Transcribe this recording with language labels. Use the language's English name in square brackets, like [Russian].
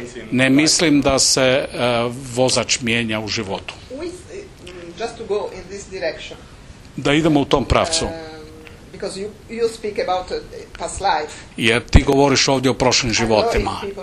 [Croatian] Ne mislim da se vozač mijenja u životu. [English] Just to go in this direction. [Croatian] Da idemo u tom pravcu. [English] Because you speak about past life. [Croatian] Jer ti govoriš ovdje o prošlim životima.